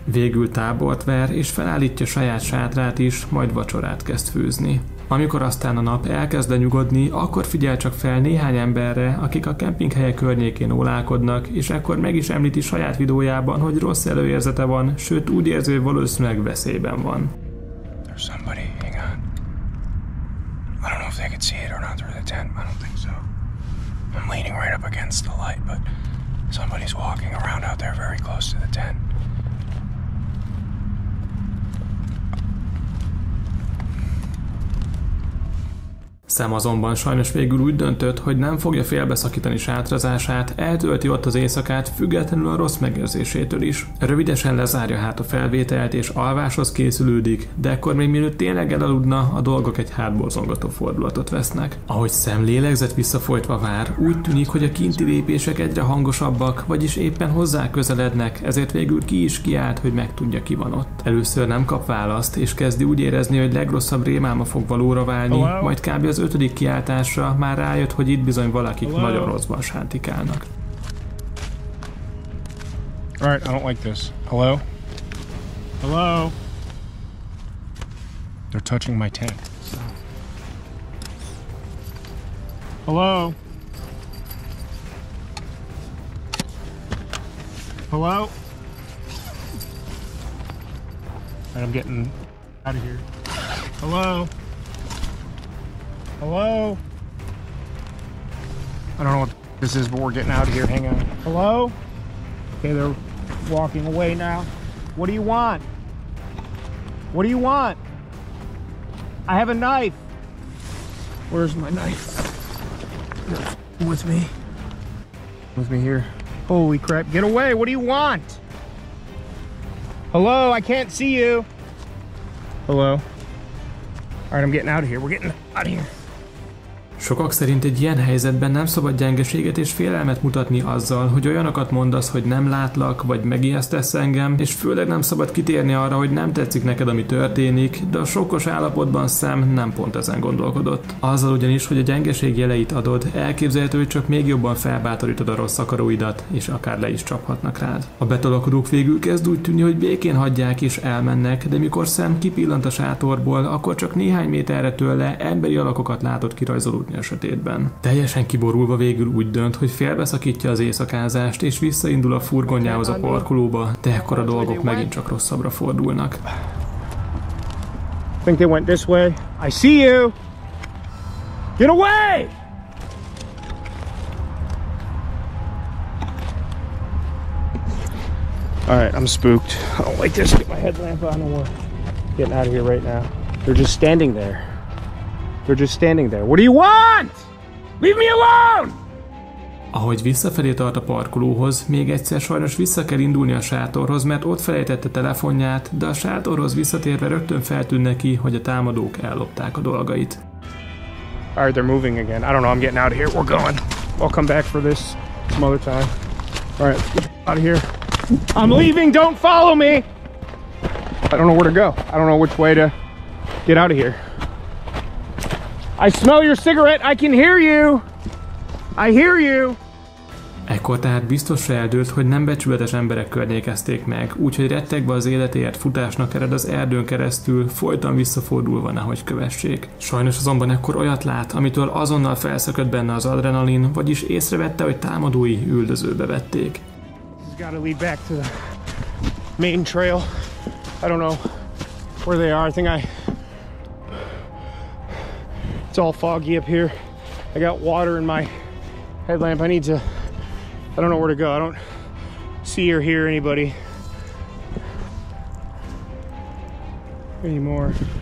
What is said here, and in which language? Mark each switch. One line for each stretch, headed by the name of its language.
Hungarian: Végül tábort ver, és felállítja saját sátrát is, majd vacsorát kezd főzni. Amikor aztán a nap elkezd lenyugodni, akkor figyel csak fel néhány emberre, akik a kempinghelye környékén ólálkodnak, és ekkor meg is említi saját videójában, hogy rossz előérzete van, sőt úgy érzi, hogy valószínűleg veszélyben van.
English: There's somebody, hang on. I don't know if they can see it or not through the tent, but I don't think so. I'm leaning right up against the light, but somebody's walking around out there very close to the tent. The
Hungarian: Sam azonban sajnos végül úgy döntött, hogy nem fogja félbeszakítani sátrazását, eltölti ott az éjszakát, függetlenül a rossz megérzésétől is. Rövidesen lezárja hát a felvételt és alváshoz készülődik, de akkor még mielőtt tényleg elaludna, a dolgok egy hátborzongató fordulatot vesznek. Ahogy Sam lélegzet visszafolytva vár, úgy tűnik, hogy a kinti lépések egyre hangosabbak, vagyis éppen hozzá közelednek, ezért végül ki is kiált, hogy megtudja, ki van ott. Először nem kap választ, és kezdi úgy érezni, hogy legrosszabb rémálma fog valóra válni, majd kb. Az ötödik kiáltásra már rájött, hogy itt bizony valakik nagyon rosszban sántikálnak.
English: Alright, I don't like this. Hello? Hello? They're touching my tent. Hello? Hello? I'm getting out of here. Hello? Hello? I don't know what this is, but we're getting out of here. Hang on. Hello? Okay, they're walking away now. What do you want? What do you want? I have a knife. Where's my knife? With me. With me here. Holy crap, get away. What do you want? Hello, I can't see you. Hello. All right, I'm getting out of here. We're getting out of here.
Hungarian: Sokak szerint egy ilyen helyzetben nem szabad gyengeséget és félelmet mutatni azzal, hogy olyanokat mondasz, hogy nem látlak, vagy megijesztesz engem, és főleg nem szabad kitérni arra, hogy nem tetszik neked, ami történik, de a sokkos állapotban Sam nem pont ezen gondolkodott. Azzal ugyanis, hogy a gyengeség jeleit adod, elképzelhető, hogy csak még jobban felbátorítod a rossz akaróidat, és akár le is csaphatnak rád. A betolakodók végül kezd úgy tűnni, hogy békén hagyják és elmennek, de mikor Sam kipillant a sátorból, akkor csak néhány méterre tőle emberi alakokat látott kirajzolódni a sötétben. Teljesen kiborulva végül úgy dönt, hogy félbeszakítja az éjszakázást és visszaindul a furgonjához a parkolóba, de ekkor a dolgok megint csak rosszabbra fordulnak.
English: I think they went this way. I see you! Get away! Alright, I'm spooked. I don't like this. Get my headlamp on. I'm getting out of here right now. They're just standing there. They're just standing there. What do you want? Leave me alone!
Hungarian: Ahogy visszafelé tart a parkolóhoz, még egyszer sajnos vissza kell indulni a sátorhoz, mert ott felejtette telefonját, de a sátorhoz visszatérve rögtön feltűn neki, hogy a támadók ellopták a dolgait.
English: All right, they're moving again. I don't know, I'm getting out of here. We're going. I'll come back for this some other time. All right, out of here. I'm leaving, don't follow me! I don't know where to go. I don't know which way to get out of here. I smell your cigarette. I can hear you. I hear you.
Hungarian: Ekkor tehát biztosra eldőlt, hogy nem becsületes emberek környékezték meg, úgyhogy rettegve az életéért futásnak ered az erdőn keresztül, folyton visszafordulva, nehogy kövessék. Sajnos azonban ekkor olyat lát, amitől azonnal felszökött benne az adrenalin, vagyis észrevette, hogy támadói üldözőbe vették.
English: This has got to lead back to the main trail. I don't know where they are. I think it's all foggy up here. I got water in my headlamp. I don't know where to go. I don't see or hear anybody anymore.